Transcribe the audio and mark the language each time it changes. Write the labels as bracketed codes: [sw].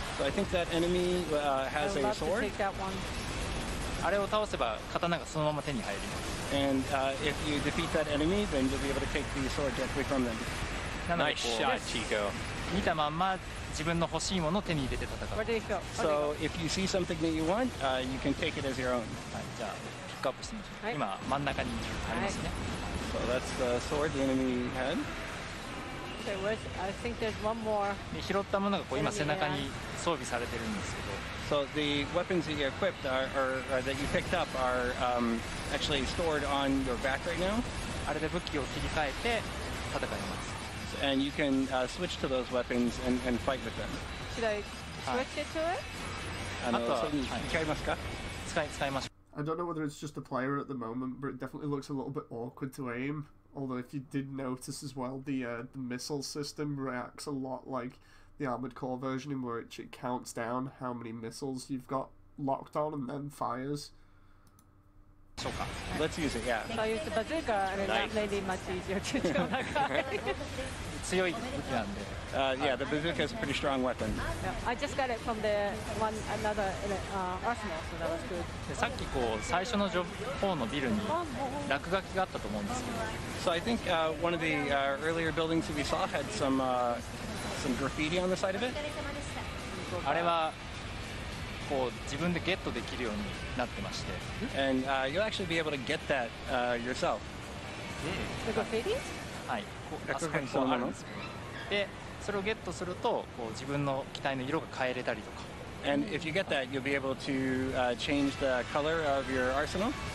[en] So I think that enemy has a sword. [ja] あれを倒せば刀がそのまま手に入ります。 [en] And if you defeat that enemy, then you'll be able to take the sword directly from them. Nice shot, Chico. [ja] 見たまんま自分の欲しいものを手に入れて戦う。 [en] So if you see something that you want, you can take it as your own. [ja] はい、じゃあピックアップしてみましょう。今真ん中にありますね。 [en] So that's the sword the enemy had. [ja] 拾ったものがこう今背中に装備されてるんですけど。 [en] So the weapons that you equipped are that you picked up are actually stored on your back right now. [ja] あれで武器を切り替えて戦います。 [en] And you can switch to those weapons and fight with them. Should I switch it to it? [ja] あと、使いますか？使いましょう。 [en] I don't know whether it's just the player at the moment, but it definitely looks a little bit awkward to aim. Although if you did notice as well, the missile system reacts a lot like the Armored Core version in which it counts down how many missiles you've got locked on and then fires. Let's use it, yeah. So I used the bazooka and it's actually much easier to kill that guy. Yeah, the bazooka is a pretty strong weapon. Yeah, I just got it from another arsenal, so that was good. [ja] さっきこう最初の方のビルに落書きがあったと思うんですけど。 [en] So I think one of the earlier buildings that we saw had some graffiti on the side of it. [ja] あれはこう自分でゲットできるようになってまして。 [en] And you'll actually be able to get that yourself. The graffiti? [ja] はい。あそこにこうあるんですよ。で、それをゲットするとこう自分の機体の色が変えれたりとか。 [en] And if you get that, you'll be able to change the color of your arsenal.